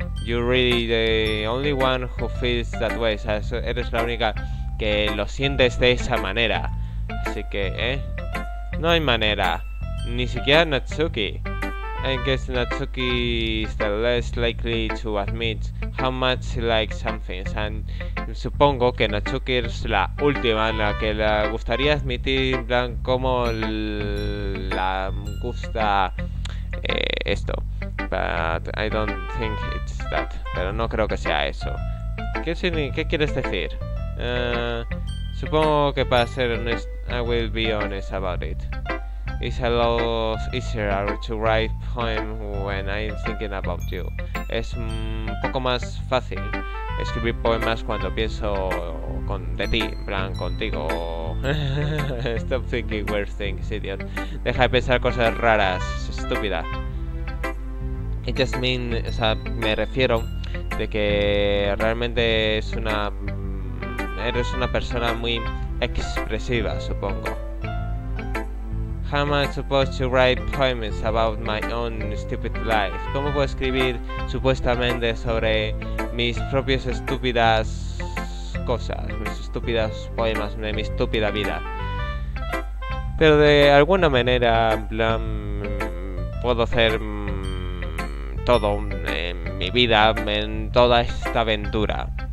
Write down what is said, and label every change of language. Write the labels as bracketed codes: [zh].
[en] You're really the only one who feels that way. [es] O sea, eres la única que lo sientes de esa manera. Así que, no hay manera. Ni siquiera Natsuki. [en] I guess Natsuki is the less likely to admit how much he likes something. [es] And supongo que Natsuki es la última en la que le gustaría admitir, en plan, cómo la gusta esto. [en] But I don't think it's that. [es] Pero no creo que sea eso. ¿Qué quieres decir? Supongo que para ser [en] honest, I will be honest about it. It's a lot easier to write poems when I'm thinking about you. [es] Es un poco más fácil escribir poemas cuando pienso de ti, en plan, contigo. [en] Stop thinking weird things, idiot. [es] Deja de pensar cosas raras, estúpida. [en] It just means, [es] o sea, me refiero de que realmente eres una persona muy expresiva, supongo. [en] How am I supposed to write poems about my own stupid life? [es] ¿Cómo puedo escribir supuestamente sobre mis propias estúpidas cosas, mis estúpidas poemas de mi estúpida vida? Pero de alguna manera, en plan, puedo hacer todo en mi vida, en toda esta aventura.